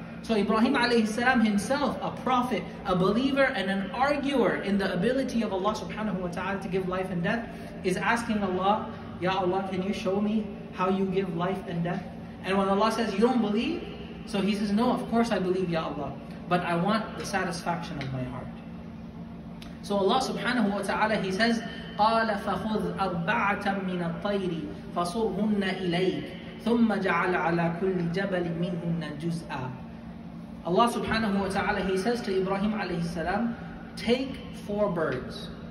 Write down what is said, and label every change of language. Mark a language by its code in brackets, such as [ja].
[en] So Ibrahim alayhi salam himself, a prophet, a believer, and an arguer in the ability of Allah subhanahu wa ta'ala to give life and death, is asking Allah, Ya Allah, can you show me how you give life and death? And when Allah says, you don't believe? So he says, no, of course I believe, Ya Allah. But I want the satisfaction of my heart. So Allah subhanahu wa ta'ala, he says, [ar] قَالَ فَخُذْ أَرْبَعَةً مِنَ الطَّيْرِ فَصُرْهُنَّ إِلَيْكَ ثُمَّ جَعَلَ عَلَى كُلِّ جَبَلٍ مِنْهُنَّ جُزْءًا. [en] Allah subhanahu wa ta'ala, he says to Ibrahim alayhi salam, take four birds.